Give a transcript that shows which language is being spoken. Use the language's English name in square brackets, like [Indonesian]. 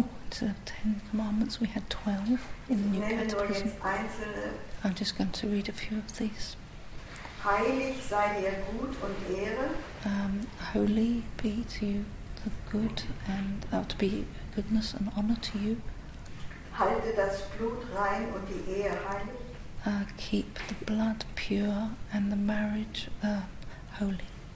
[English] Instead of 10 commandments, we had 12 in the new Catechism. I'm just going to read a few of these. [German] Heilig sei dir gut und Ehre. [English] Holy be to you the good and to be goodness and honor to you. [German] Halte das Blut rein und die Ehe heilig. [English] Keep the blood pure and the marriage holy.